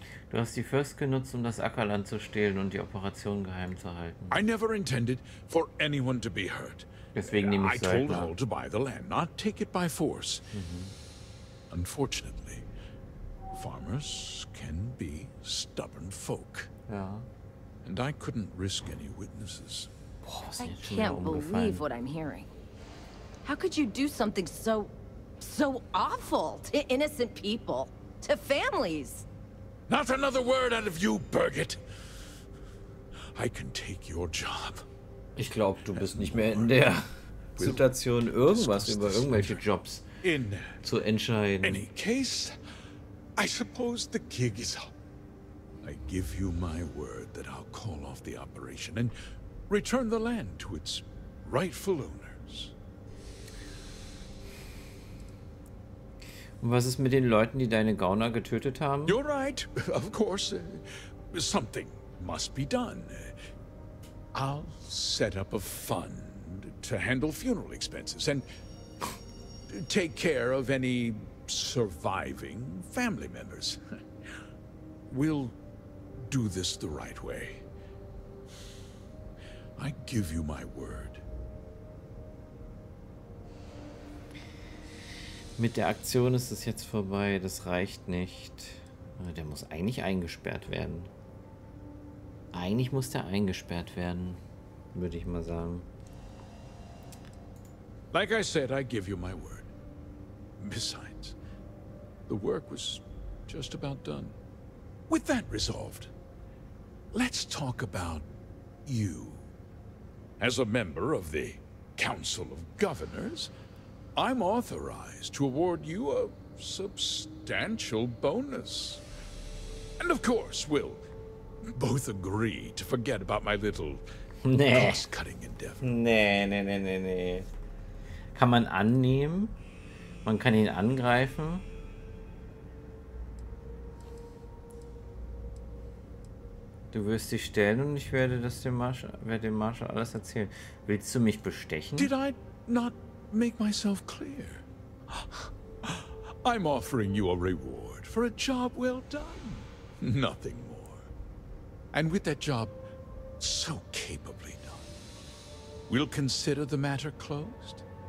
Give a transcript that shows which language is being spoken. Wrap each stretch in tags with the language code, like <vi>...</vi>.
<de>Du hast die Fürst genutzt, um das Ackerland zu stehlen und die Operation geheim zu halten.</de> <en>I never intended for anyone to be hurt.</en> <de>Deswegen nehme ich</de> <en>Söldner. I told Hull to buy the land, not take it by force. Mm-hmm. Unfortunately, farmers can be stubborn folk.</en> <de>Ja.</de> <en>And I couldn't risk any witnesses. I can't believe what I'm hearing. How could you do something so, so awful to innocent people, to families? Not another word out of you, Birgit. I can take your job.</en> <de>Ich glaube, du bist nicht mehr in der Situation, irgendwas über irgendwelche Jobs zu entscheiden.</de> <en>In any case, I suppose the gig is up. I give you my word that I'll call off the operation and return the land to its rightful owner.</en> <de>Und was ist mit den Leuten, die deine Gauner getötet haben?</de> <en>You're right, of course. Something must be done. I'll set up a fund to handle funeral expenses and take care of any surviving family members. We'll do this the right way. I give you my word.</en> <de>Mit der Aktion ist es jetzt vorbei, das reicht nicht. Der muss eigentlich eingesperrt werden. Eigentlich muss der eingesperrt werden, würde ich mal sagen.</de> <en>Like I said, I give you my word. Besides, the work was just about done. With that resolved, let's talk about you. As a member of the Council of Governors, I'm authorized to award you a substantial bonus. And of course, we'll both agree to forget about my little cost-cutting endeavor.</en> <de>Nee. Kann man annehmen? Man kann ihn angreifen? Du wirst dich stellen und ich werde das dem Marshall alles erzählen. Willst du mich bestechen?</de> <en>Did I not make myself clear? I'm offering you a reward for a job well done. Nothing more. And with that job so capably done, we'll consider the matter closed.</en>